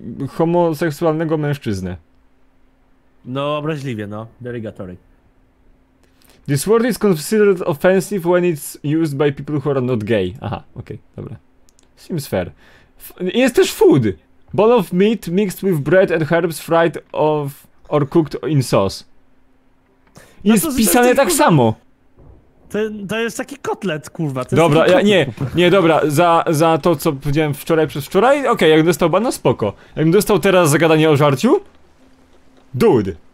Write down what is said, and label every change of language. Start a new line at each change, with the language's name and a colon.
Polish: homoseksualnego mężczyznę. No, obraźliwie, no.
English: Derogatory. This word is considered offensive when it's used by people who are not gay.
Polish: Aha, okej, okay, dobra.
English: Seems fair.
Polish: Jest też
English: food! Bowl of meat mixed with bread and herbs fried of or cooked in sauce.
Polish: Jest no pisane tak kurwa, samo! To jest taki kotlet, kurwa. To dobra, kotlet. Ja, nie, dobra, za to, co powiedziałem wczoraj przez wczoraj, okej, okay, jakbym dostał bana, spoko. Jakbym dostał teraz zagadanie o żarciu?
English: Dude!